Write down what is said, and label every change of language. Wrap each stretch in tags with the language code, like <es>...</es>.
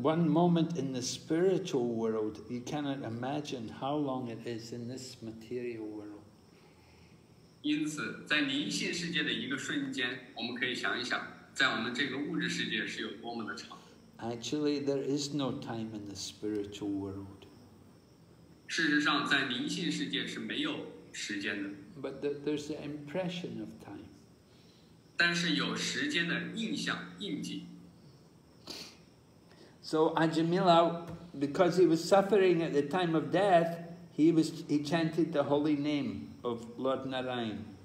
<en>one moment in the spiritual world, you cannot imagine how long it is in this material world.</en> <zh>因此，在灵性世界的一个瞬间，我们可以想一想。</zh> <en>Actually, there is no time in the spiritual world.</en> <zh>事实上，在灵性世界是没有时间的。</zh> <en>But there's the impression of time.</en> <zh>但是有时间的印象印记。</zh> <en>So Ajāmila, because he was suffering at the time of death, he chanted the holy name of Lord Narayana.</en>